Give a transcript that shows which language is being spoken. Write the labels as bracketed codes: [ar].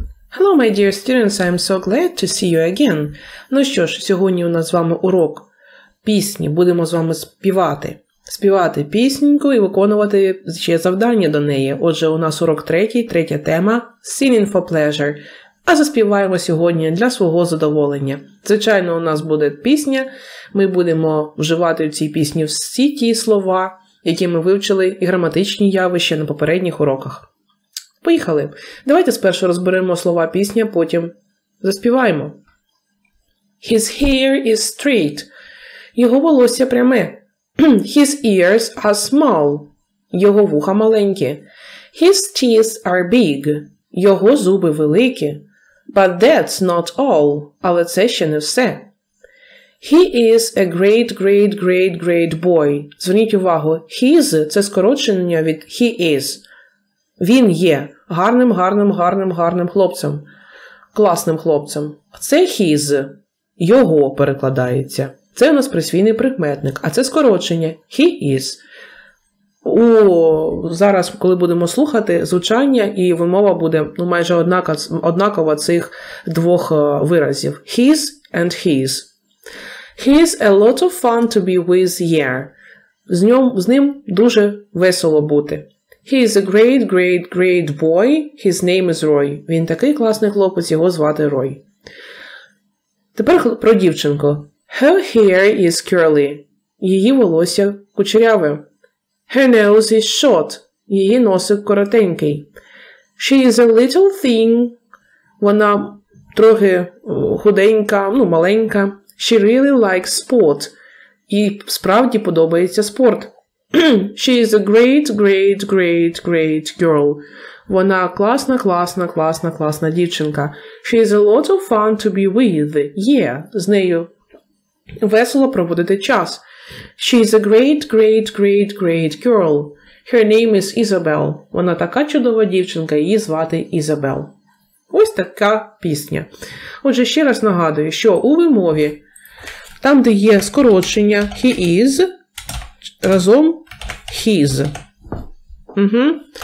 [en] Hello, my dear students, I'm so glad to see you again. [uk] Ну що ж, сьогодні у нас з вами урок пісні. Будемо з вами співати. Співати пісеньку і виконувати ще завдання до неї. Отже, у нас урок третій, третя тема – [en] Singing for Pleasure. [uk] А заспіваємо сьогодні для свого задоволення. Звичайно, у нас буде пісня, ми будемо вживати в цій пісні всі ті слова, які ми вивчили, і граматичні явища на попередніх уроках. Поїхали! Давайте спершу розберемо слова пісня, потім заспіваємо. [en] His hair is straight. [uk] Його волосся пряме. [en] His ears are small. [uk] Його вуха маленькі. [en] His teeth are big. [uk] Його зуби великі. [en] But that's not all. [uk] Але це ще не все. [en] He is a great, great, great, great boy. [uk] Зверніть увагу, his – це скорочення від he is. Він є гарним, гарним, гарним, гарним хлопцем. Класним хлопцем. Це his. Його перекладається. Це у нас присвійний прикметник, а це скорочення – he is. О, зараз, коли будемо слухати, звучання і вимова буде майже однакова цих двох виразів – his and his. [en] He's a lot of fun to be with here. [uk] З ним дуже весело бути. [en] He is a great, great, great boy. His name is Roy. [uk] Він такий класний хлопець, його звати Рой. Тепер про дівчинку. [en] Her hair is curly. [uk] Її волосся кучеряве. [en] Her nose is short. [uk] Її носик коротенький. [en] She is a little thin. [uk] Вона трохи худенька, маленька. [en] She really likes sport. [uk] Їй справді подобається спорт. [en] She is a great, great, great, great girl. [uk] Вона класна, класна, класна, класна дівчинка. [en] She is a lot of fun to be with. [uk] Yeah, з нею весело проводити час. [en] She is a great, great, great, great girl. Her name is Isabel. [uk] Вона така чудова дівчинка, її звати Ізабел. Ось така пісня. Отже, ще раз нагадую, що у вимові, там, де є скорочення he is, разом his. Угу.